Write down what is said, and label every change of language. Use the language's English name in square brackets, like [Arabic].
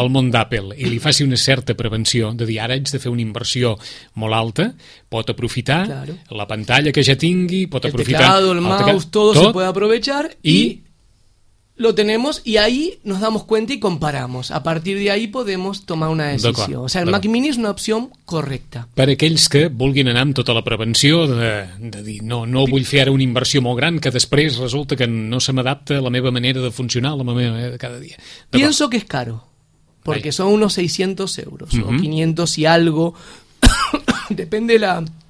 [Catalan] al món d'Apple i li faci una certa prevenció de dir ara haig de fer una inversió molt alta, pot aprofitar [Spanish] claro, [Catalan] la pantalla que ja tingui, pot [Spanish] el [Catalan] aprofitar [Spanish] teclado, el mouse, teclado, todo se puede aprovechar y lo tenemos y ahí nos damos cuenta y comparamos. A partir de ahí podemos tomar una decisión. [Catalan] D'acord. [Spanish] O sea, el Mac Mini es una opción correcta. [Catalan] Per aquells que vulguin anar amb tota la prevenció de dir no vull fer ara una inversió molt gran que després resulta que no se m'adapta a la meva manera de funcionar, a la meva manera de cada dia. D'acord. [Spanish] Pienso que es caro, porque son unos 600 euros o 500 y algo. Depende la...